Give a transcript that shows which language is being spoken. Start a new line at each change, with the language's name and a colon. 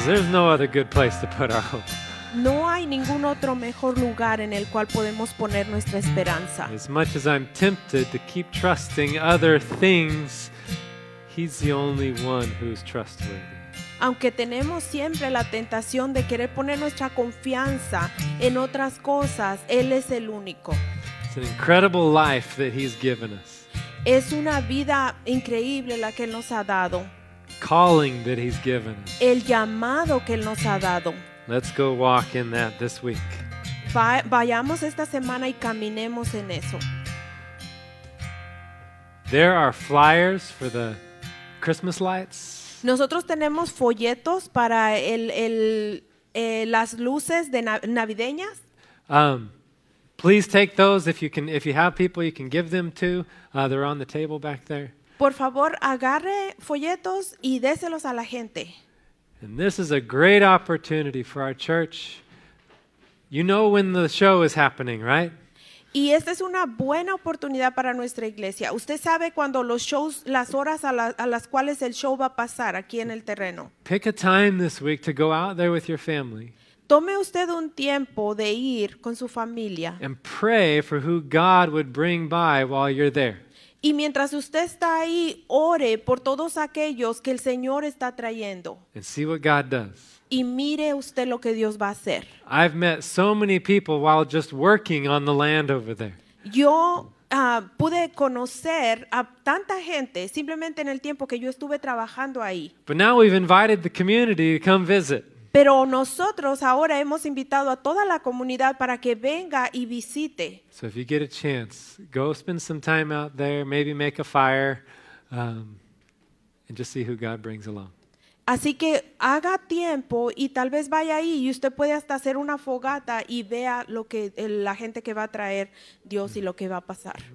English: There's no other good place to put our hope.
Spanish: No hay ningún otro mejor lugar en el cual podemos poner nuestra esperanza.
English: As much as I'm tempted to keep trusting other things, He's the only one who's trustworthy.
Spanish: Aunque tenemos siempre la tentación de querer poner nuestra confianza en otras cosas, Él es el único.
English: It's an incredible life that He's given us.
Spanish: Es una vida increíble la que Él nos ha dado.
English: Calling that He's given.
Spanish: El llamado que Él nos ha dado.
English: Let's go walk in that this week.
Spanish: Vayamos esta semana y caminemos en eso.
English: There are flyers for the Christmas lights.
Spanish: Nosotros tenemos folletos para las luces de navideñas.
English: Please take those if you have people you can give them to. They're on the table back there.
Spanish: Por favor, agarre folletos y déselos a la gente.
English: And this is a great opportunity for our church. You know when the show is happening, right?
Spanish: Y esta es una buena oportunidad para nuestra iglesia. Usted sabe cuando los shows, las horas a las cuales el show va a pasar aquí en el terreno.
English: Pick a time this week to go out there with your family.
Spanish: Tome usted un tiempo de ir con su familia.
English: And pray for who God would bring by while you're there.
Spanish: Y mientras usted está ahí, ore por todos aquellos que el Señor está trayendo.
English: And see what God does.
Spanish: Y mire usted lo que Dios va a hacer.
English: I've met so many people while just working on the land over there.
Spanish: Yo pude conocer a tanta gente simplemente en el tiempo que yo estuve trabajando ahí.
English: But now we've invited the community to come visit.
Spanish: Pero nosotros ahora hemos invitado a toda la comunidad para que venga y visite.
English: So if you get a chance, go spend some time out there, maybe make a fire, and just see who God brings along.
Spanish: Así que haga tiempo y tal vez vaya ahí y usted puede hasta hacer una fogata y vea lo que la gente que va a traer Dios y lo que va a pasar.